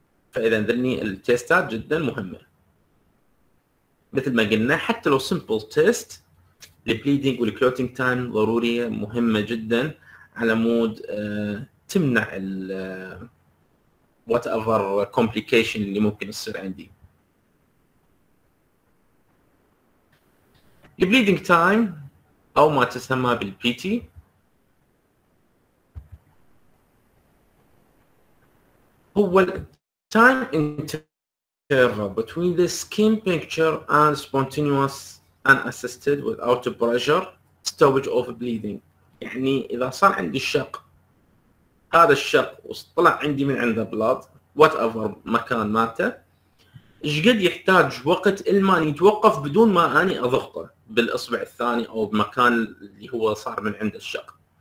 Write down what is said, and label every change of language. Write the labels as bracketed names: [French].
[Arabic] فاذا ذني التيستات جدا مهمه مثل ما قلنا، حتى لو سمبل تيست البليدنج والكلوتنج تايم ضروريه مهمه جدا على مود تمنع ال [English] whatever complication [Arabic] اللي ممكن يصير عندي. البليدنج تايم او ما تسمى بالبي تي هو [English] time interval between the skin puncture and spontaneous unassisted without pressure stoppage of bleeding. [Arabic] يعني إذا صار عندي الشق، هذا الشق وطلع عندي من عنده blood whatever مكان مالته، إيش قد يحتاج وقت إلما يتوقف بدون ما أني أضغطه بالإصبع الثاني أو بمكان اللي هو صار من عند الشق.